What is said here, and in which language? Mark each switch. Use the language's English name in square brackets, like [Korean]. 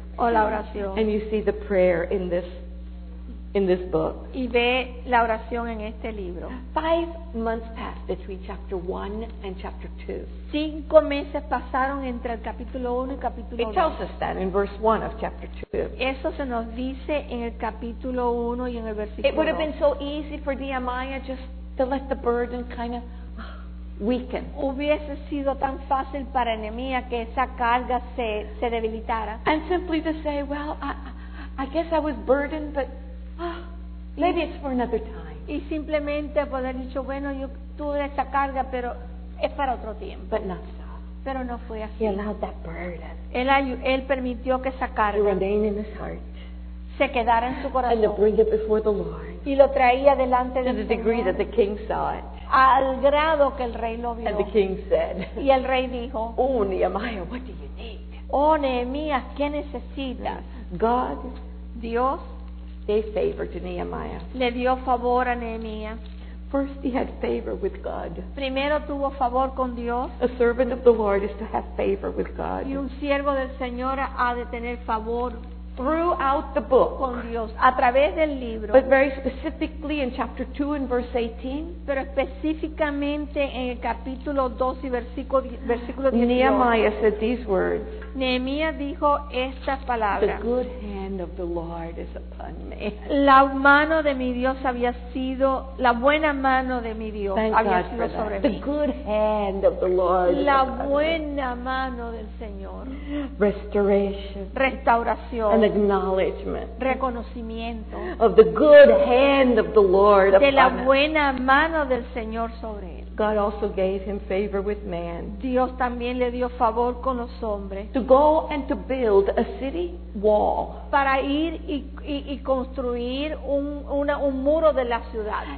[Spanish] O la oración. [English] And you see the prayer in this book. [Spanish] Y ve la oración en este libro. [English] 5 months passed between chapter 1 and chapter 2. [Spanish] 5 meses pasaron entre el capítulo 1 y capítulo 2. [English] It tells us that in verse 1 of chapter 2. [Spanish] Eso se nos dice en el capítulo 1 y en el versículo 2. [English] It would have been so easy for Nehemiah just to let the burden kind of weaken. [Spanish] Hubiese sido tan fácil para Nehemiah que esa carga se debilitara. [English] And simply to say, well, I guess I was burdened, but maybe it's for another time. [Spanish] Y simplemente poder dicho, bueno, yo tuve esa carga, pero es para otro tiempo. [English] But not so. [Spanish] Pero no fue así. [English] He allowed that burden. [Spanish] Él permitió que esa carga [English] remain in his heart. [Spanish] Se quedara en su corazón. [English] And to bring it before the Lord. [Spanish] Y lo traía delante del Señor. [English] To the degree that the king saw it. [Spanish] Al grado que el rey lo vio. [English] And the king said. [Spanish] Y el rey dijo. [English] Oh, Nehemiah, what do you need? [Spanish] Oh, Nehemiah, ¿qué necesitas? [English] God. [Spanish] Dios. [English] Gave favor to Nehemiah. [Spanish] Le dio favor a Nehemiah. [English] First he had favor with God. [Spanish] Primero tuvo favor con Dios. [English] A servant of the Lord is to have favor with God. [Spanish] Y un siervo del Señor ha de tener favor. [English] Throughout the book. [Spanish] Con Dios, a través del libro. [English] But very specifically in chapter 2 and verse 18. [Spanish] Pero específicamente en el capítulo 2 y versículo 18. [English] Nehemiah said these words. [Spanish] Nehemiah dijo estas palabras. [English] The good hand of the Lord is upon me. [Spanish] La mano de mi Dios había sido, la buena mano de mi Dios [English] Thank [Spanish] había [English] God [Spanish] sido sobre mí. [English] The good hand of the Lord. [Spanish] La buena mano del Señor. [English] Restoration. [Spanish] Restauración. [English] An acknowledgement. [Spanish] Reconocimiento. [English] Of the good hand of the Lord [Spanish] de [English] upon [Spanish] la buena mano del Señor sobre él. [English] God also gave him favor with man. [Spanish] Dios también le dio favor con los hombres. [English] To go and to build a city wall. [Spanish] Para ir y construir un muro de la ciudad.